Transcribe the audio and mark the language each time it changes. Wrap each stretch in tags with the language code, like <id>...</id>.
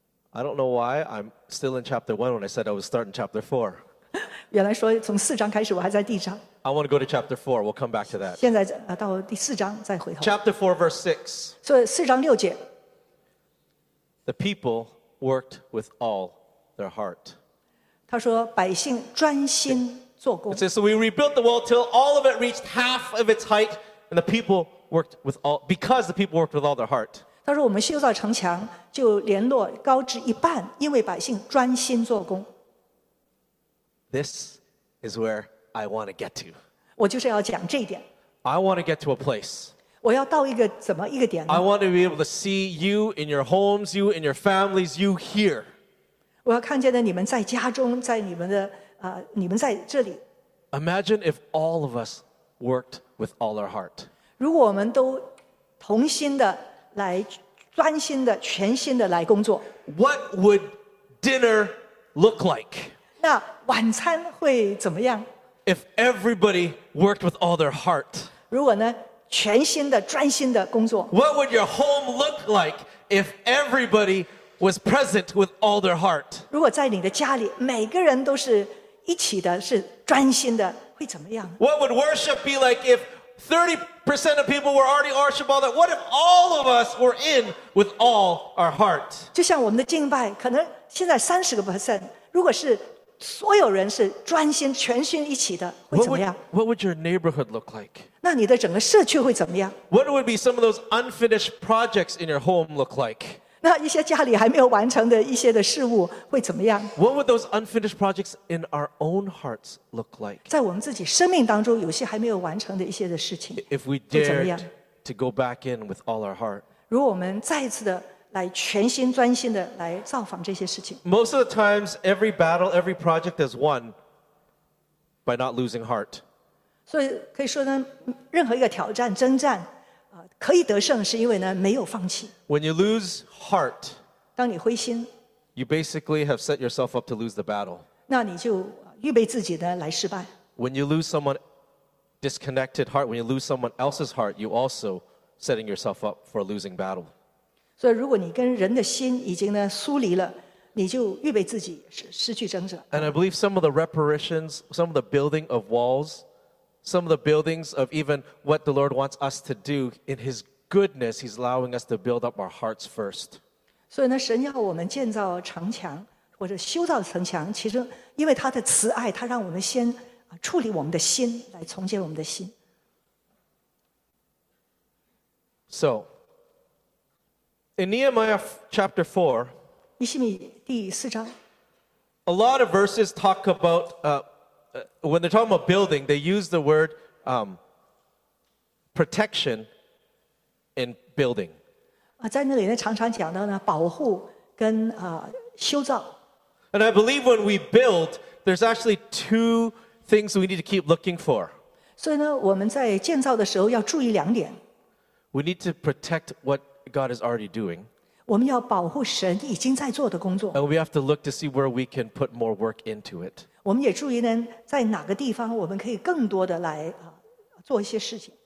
<en>I don't know why I'm still in chapter one when I said I was starting chapter four.</en> <zh>原来说从四章开始，我还在第一章。</zh> <en>I want to go to chapter four. We'll come back to that.</en> <zh>现在到第四章再回头。</zh> <en>Chapter four, verse six.</en> <zh>所以四章六节。</zh> <en>The people worked with all their heart.</en> <zh>他说百姓专心做工</zh> <en>it says, So we rebuilt the wall till all of it reached half of its height and the people worked with all because the people worked with all their heart</en> <zh>他说我们修造城墙就联络高至一半因为百姓专心做工</zh> <en>This is where I want to get to</en> <zh>我就是要讲这一点</zh> <en>I want to get to a place</en> <zh>我要到一个怎么一个点呢</zh> <en>I want to be able to see you in your homes you in your families you here</en> <zh>我要看见的你们在家中，在你们的你们在这里。</zh> <en>Imagine if all of us worked with all our heart.</en> <zh>如果我们都同心的来，专心的、全心的来工作。</zh> <en>What would dinner look like?</en> <zh>那晚餐会怎么样</zh> <en>？If everybody worked with all their heart.</en> <zh>如果呢，全心的、专心的工作。</zh> <en>What would your home look like if everybody? Was present with all their heart.</en> <zh>如果在你的家里，每个人都是一起的，是专心的，会怎么样</zh> <en>？What would worship be like if 30% of people were already worshiping all that? What if all of us were in with all our heart?</en> <zh>就像我们的敬拜，可能现在30%，如果是所有人是专心、全心一起的，会怎么样</zh> <en>？What would your neighborhood look like?</en> <zh>那你的整个社区会怎么样</zh> <en>？What would be some of those unfinished projects in your home look like?</en> <zh>那一些家里还没有完成的一些的事物会怎么样</zh> <en>？What would those unfinished projects in our own hearts look like？</en> <zh>在我们自己生命当中，有些还没有完成的一些的事情</zh> <en>，If we dared to go back in with all our heart，</en> <zh>如果我们再一次的来全心专心的来造访这些事情</zh> <en>，Most of the times, every battle, every project is won by not losing heart。</en> <zh>所以可以说呢，任何一个挑战、征战。可以得胜是因为呢没有放弃。</zh> <en>When you lose heart,</en> <zh>当你灰心</zh> <en>you basically have set yourself up to lose the battle.</en> <zh>那你就预备自己呢来失败。</zh> <en>When you lose someone disconnected heart, when you lose someone else's heart, you also setting yourself up for a losing battle.</en> <zh>所以如果你跟人的心已经呢疏离了，你就预备自己失去征战。</zh> <en>And I believe some of the reparations, some of the building of walls. Some of the buildings of even what the Lord wants us to do in His goodness, He's allowing us to build up our hearts first.</en> <zh>所以呢，神要我们建造城墙或者修造城墙，其实因为他的慈爱，他让我们先处理我们的心，来重建我们的心。</zh> <en>So, in Nehemiah chapter 4,</en> <zh>尼希米第四章。</zh> <en>A lot of verses talk about, when they're talking about building, they use the word protection in building.</en> <zh>在那里呢常常讲到呢保护跟修造。</zh> <en>And I believe when we build, there's actually two things we need to keep looking for.</en> <zh>所以呢我们在建造的时候要注意两点。</zh> <en>We need to protect what God is already doing.</en> <zh>我们要保护神已经在做的工作。</zh> <en>And we have to look to see where we can put more work into it.</en> <zh>我们也注意呢在哪个地方我们可以更多的来做一些事情。</zh>